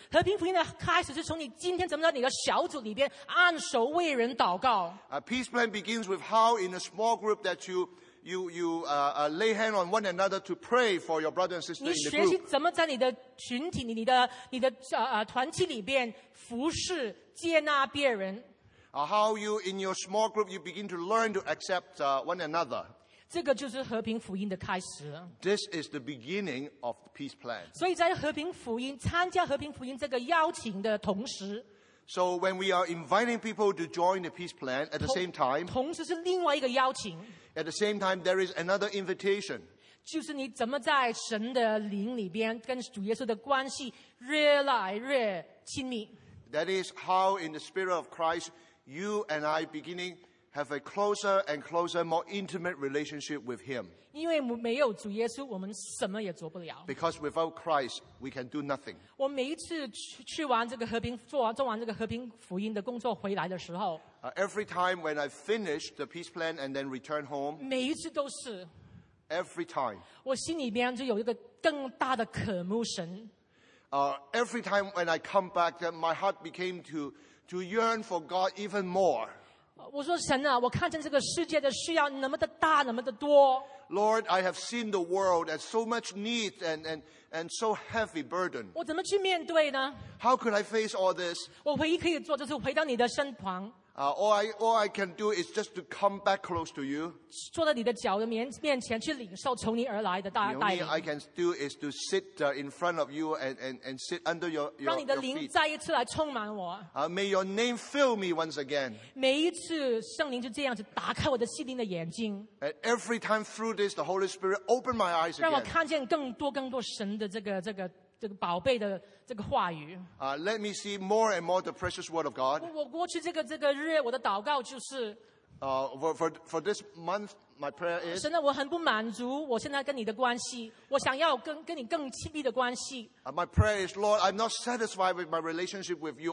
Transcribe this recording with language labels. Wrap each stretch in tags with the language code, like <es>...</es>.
<zh>和平福音的开始是从你今天怎么在你的小组里边按手为人祷告。</zh> <en>Peace plan begins with how in a small group that you lay hand on one another to pray for your brother and sister in the group.</en> <zh>你学习怎么在你的群体、你的团体里边服侍、接纳别人。</zh> <en>How you in your small group you begin to learn to accept one another.</en> <zh>这个就是和平福音的开始。</zh> <en>This is the beginning of the peace plan.</en> <zh>所以在和平福音参加和平福音这个邀请的同时</zh> <en>，So when we are inviting people to join the peace plan at the same time,</en> <zh>同时是另外一个邀请。</zh> <en>At the same time, there is another invitation.</en> <zh>就是你怎么在神的灵里边跟主耶稣的关系越来越亲密。</zh> <en>That is how in the spirit of Christ, you and I beginning. Have a closer and closer, more intimate relationship with Him.</en> <zh>因为没有主耶稣，我们什么也做不了。</zh> <en>Because without Christ, we can do nothing.</en> <zh>我每一次做完这个和平福音的工作回来的时候</zh> <en>，Every time when I finish the peace plan and then return home，</en> <zh>每一次都是。</zh> <en>Every time，</en> <zh>我心里边就有一个更大的渴慕神。</zh> <en>Every time when I come back, that my heart became to yearn for God even more.</en> <zh>我说神啊，我看见这个世界的需要那么的大，那么的多。</zh> <en>Lord, I have seen the world as so much need and so heavy burden.</en> <zh>我怎么去面对呢</zh> <en>？How could I face all this?</en> <zh>我唯一可以做就是回到你的身旁。</zh> <en>All I can do is just to come back close to you.</en> <zh>坐在你的脚的面前去领受从你而来的带领。</zh> <en>The only I can do is to sit in front of you and sit under your feet.</en> <zh>让你的灵再一次来充满我。</zh> <en>May your name fill me once again.</en> <zh>每一次圣灵就这样子打开我的心灵的眼睛。</zh> <en>And every time through this, the Holy Spirit open my eyes again.</en> <zh>让我看见更多神的这个宝贝的这个话语。</zh> <en>Let me see more and more the precious word of God.</en> <zh>我过去这个日，我的祷告就是。</zh> <en>For this month, my prayer is.</en> <zh>神啊，我很不满足，我现在跟你的关系，我想要跟你更亲密的关系。</zh> <en>My prayer is, Lord, I'm not satisfied with my relationship with you.</en>